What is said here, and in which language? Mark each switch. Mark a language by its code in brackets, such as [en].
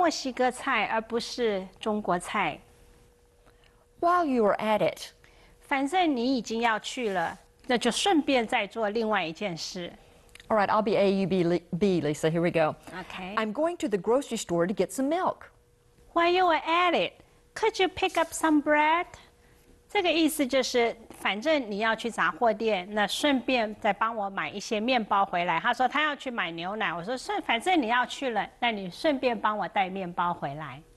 [zh] 我今晚宁可吃墨西哥菜而不是中国菜。 [en] While you are at it, [zh] 反正你已经要去了，那就顺便再做另外一件事。 [en] All right, I'll be A, you be B, Lisa. Here we go. Okay. I'm going to the grocery store to get some milk. While you are at it, could you pick up some bread? [zh] 这个意思就是，反正你要去杂货店，那顺便再帮我买一些面包回来。他说他要去买牛奶，我说顺，反正你要去了，那你顺便帮我带面包回来。